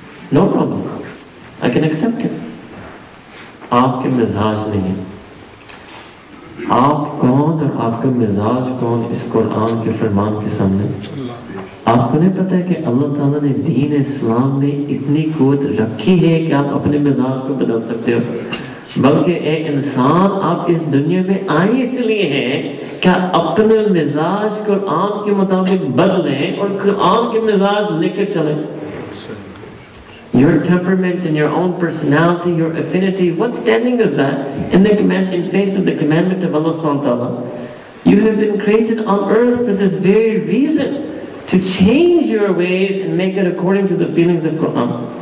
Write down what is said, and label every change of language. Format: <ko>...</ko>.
<en>No problem. I can accept it.</en> <ur>آپ کے مزاج نہیں. آپ کون اور آپ کا مزاج کون اس قرآن کے فرمان کے سامنے؟ آپ کو نہیں پتا ہے کہ اللہ تعالیٰ نے دین اسلام میں اتنی قوت رکھی ہے کہ آپ اپنے مزاج کو بدل سکتے ہو. بلکہ ایک انسان آپ اس دنیا میں آئے اس لیے ہے کہ اپنے مزاج قرآن کے مطابق بدلے اور قرآن کے مزاج لے کر چلے.</ur> <en>Your temperament and your own personality, your affinity, what standing is that in the command, in face of the commandment of Allah subhanahu wa ta'ala? You have been created on earth for this very reason, to change your ways and make it according to the feelings of Quran.</en>